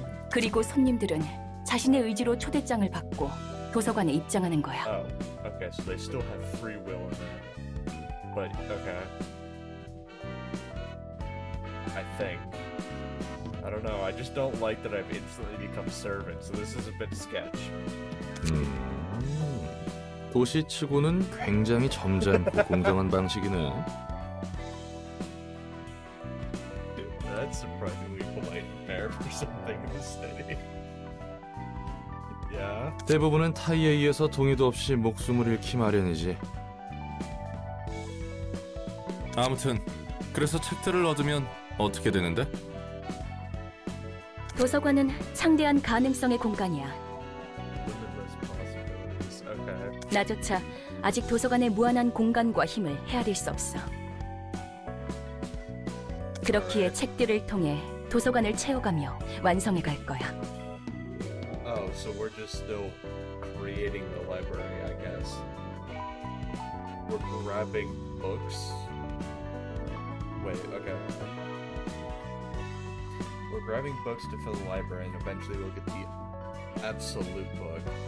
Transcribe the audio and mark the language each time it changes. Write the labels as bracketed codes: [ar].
[ko] 그리고 손님들은 자신의 의지로 초대장을 받고 도서관에 입장하는 거야. [en] Oh, okay. So they still have free will in there. But okay. I think. I don't know. I just don't like that I've instantly become servant. So this is a bit sketch. [ko] 도시치고는 굉장히 점잖고 공정한 방식이네. [en] That's surprisingly polite fair for something in this city. Yeah. [ko] 대부분은 타이에 의해서 동의도 없이 목숨을 잃기 마련이지. 아무튼 그래서 책들을 얻으면 어떻게 되는데? 도서관은 창대한 가능성의 공간이야. [en] Okay. [ko] 나조차 아직 도서관의 무한한 공간과 힘을 헤아릴 수 없어. 그렇기에 [en] right. [ko] 책들을 통해 도서관을 채워가며 완성해 갈 거야. [en] Oh, so we're just still creating the library, I guess. We're grabbing books. Wait, okay. We're grabbing books to fill the library, and eventually we'll get the absolute book.